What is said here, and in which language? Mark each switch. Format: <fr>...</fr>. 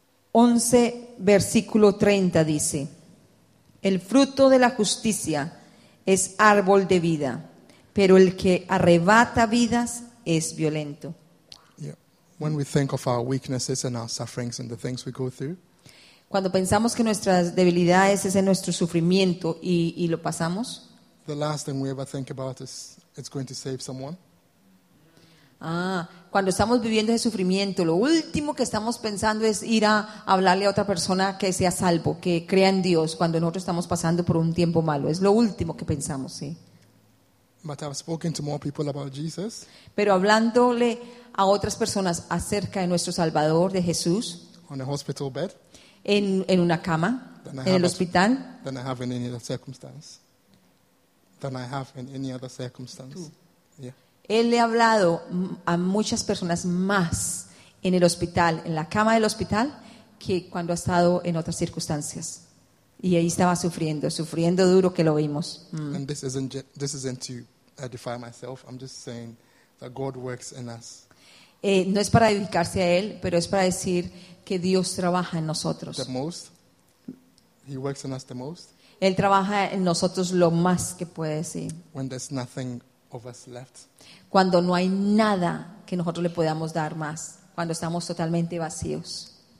<es>11, versículo 30 dice, el fruto de la justicia es árbol de vida, pero el que arrebata vidas es violento.</es> <en>When we think of our weaknesses and our sufferings and the things we go through,</en> <es>cuando pensamos que nuestras debilidades es en nuestro sufrimiento y lo pasamos,</es> <en>the last thing we ever think about is it's going to save someone.</en> <es>Cuando estamos viviendo ese sufrimiento, lo último que estamos pensando es ir a hablarle a otra persona que sea salvo, que crea en Dios, cuando nosotros estamos pasando por un tiempo malo. Es lo último que pensamos, sí.</es> <en>But I've spoken to more people about Jesus.</en> <es>Pero hablándole a otras personas acerca de nuestro Salvador, de Jesús,</es> <en>on a hospital bed,</en> <es>en una cama, en el hospital,</es> <en>than I have in any other circumstance. Than I have in any other circumstance.</en> <es>Él le ha hablado a muchas personas más en el hospital, en la cama del hospital, que cuando ha estado en otras circunstancias. Y ahí estaba sufriendo duro que lo vimos.</es> <en>And this isn't to edify myself. I'm just saying that God works in us.</en> <es>No es para edificarse a él, pero es para decir que Dios trabaja en nosotros.</es> <en>The most. He works in us the most.</en> <es>Él trabaja en nosotros lo más que puede, sí.</es> <en>When there's nothing of us left.</en> <es>Cuando no hay nada que nosotros le podamos dar más, cuando estamos totalmente vacíos.</es>